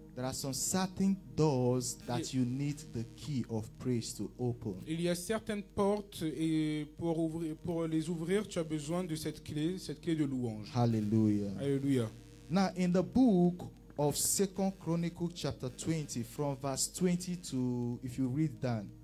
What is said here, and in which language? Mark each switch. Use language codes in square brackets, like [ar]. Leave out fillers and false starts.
[en] There are some certain doors that you need the key of praise to open. [fr] Il y a certaines portes et pour les ouvrir, tu as besoin de cette clé de louange. [en] Hallelujah. [fr] Hallelujah. [en] Now in the book of 2 Chronicles chapter 20 from verse 20 to, if you read down.